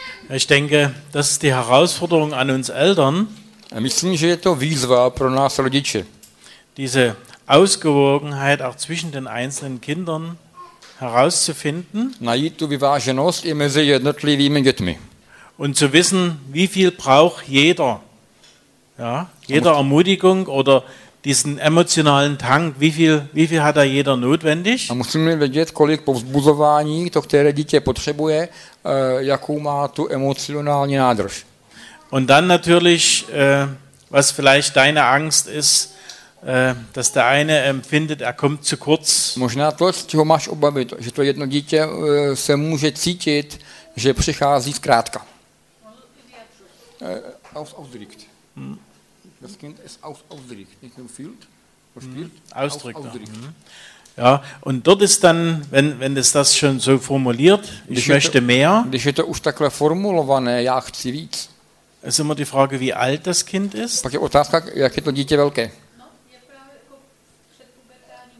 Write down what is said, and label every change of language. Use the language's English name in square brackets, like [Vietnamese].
[German] Ich denke, das ist die Herausforderung an uns Eltern. [Czech] Myslím, že je to výzva pro nás rodiče. [German] Diese Ausgewogenheit auch zwischen den einzelnen Kindern herauszufinden. [Czech] Najít tu vyváženost i mezi jednotlivými dětmi. [German] Und zu wissen, wie viel braucht jeder. Ja, jeder Ermutigung oder diesen emotionalen Tank, wie viel hat da jeder notwendig? [Czech] A musíme vědět, kolik povzbuzování to které dítě potřebuje, jakou má tu emocionální nádrž. [German] Und dann natürlich, was vielleicht deine Angst ist, dass der eine empfindet, er kommt zu kurz. [Czech] Možná to, z čeho máš obavy, že to jedno dítě se může cítit, že přichází zkrátka. [German] Ausdrückt. Das Kind ist ausdrückt, nicht nur fühlt, ausdrückt. Ja, und dort ist dann, wenn es das schon so formuliert, ich [Czech] když [German] möchte mehr. [Czech] Když je to už takhle formulované, já chci víc. [German] Es ist immer die Frage, wie alt das Kind ist. [Czech] Pak je otázka, jak je to dítě velké. No, je právě jako předpubertální